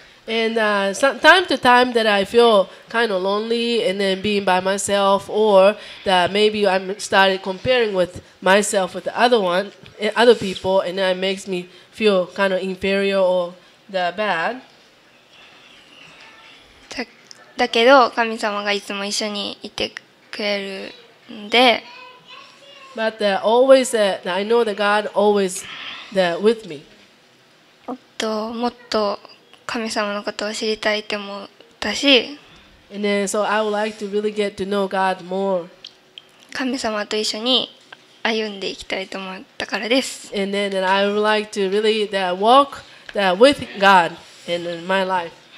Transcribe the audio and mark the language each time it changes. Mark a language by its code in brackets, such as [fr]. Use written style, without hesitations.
[en] And time to time that I feel kind of lonely and then being by myself or that maybe I'm started comparing with myself with the other people and then it makes me feel kind of inferior or the bad. [ja] だけど神様がいつも一緒にいてくれるんで。 [en] But always that I know that God always there with me. [ja] もっと神様のことを知りたいって思ったし、 [en] And then, so I would like to really get to know God more. [ja] 神様と一緒に歩んでいきたいと思ったからです。 [en] And then I would like to really walk with God in my life.